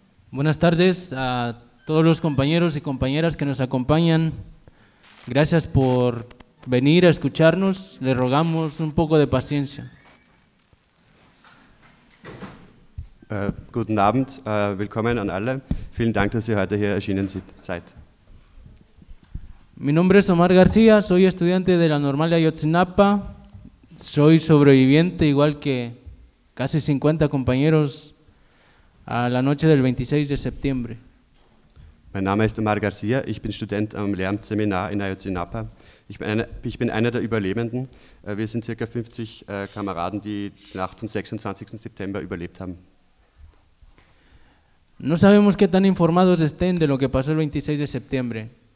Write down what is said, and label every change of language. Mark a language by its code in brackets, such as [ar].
[es] Buenas tardes a todos los compañeros y compañeras que nos acompañan. Gracias por venir a escucharnos. Le rogamos un poco de paciencia. [de] Guten Abend, willkommen an alle. Vielen Dank, dass ihr heute hier erschienen seid. [es] Mi nombre es Omar García, soy estudiante de la Normal de Ayotzinapa. Soy sobreviviente, igual que casi 50 compañeros, a la noche del 26 de septiembre. [de] Mein Name ist Omar García, ich bin Student am Lernseminar in Ayotzinapa. Ich bin einer der Überlebenden. Wir sind ca. 50 Kameraden, die die Nacht vom 26. September überlebt haben. [es] No sabemos qué tan informados estén de lo que pasó el 26 de septiembre.